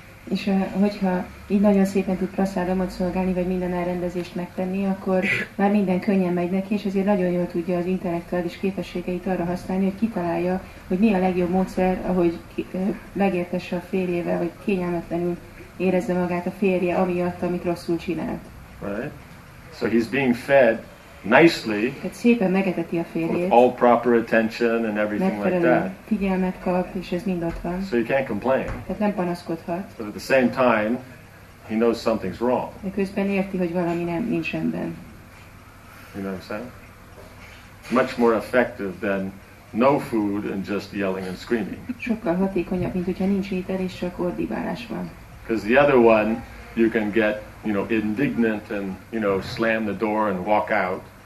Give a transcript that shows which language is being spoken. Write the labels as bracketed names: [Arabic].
[Hungarian] És hogyha így nagyon szépen tud prasádomot szolgálni, vagy minden elrendezést megtenni, akkor már minden könnyen megy neki, és ezért nagyon jól tudja az intellektuális képességeit arra használni, hogy kitalálja, hogy mi a legjobb módszer, ahogy megértesse a férjével, vagy kényelmetlenül érezze magát a férje, amiatt, amit rosszul csinált. [English] Right. So he's being fed nicely. [Hungarian] Tehát szépen megeteti a férjét. [English] With all proper attention and everything like that. [Hungarian] Megfelelő figyelmet kap, és ez mind ott van. [English] So you can't complain. [Hungarian] Tehát nem panaszkodhat. [English] But at the same time, he knows something's wrong. [Hungarian] De közben érti, hogy valami nem nincs rendben. [English] You know what I'm saying? Much more effective than no food and just yelling and screaming. [Hungarian] Sokkal hatékonyabb, mint hogyha nincs étel és csak ordibálás van. [English] Because the other one, you can get, you know, indignant and, you know, slam the door and walk out.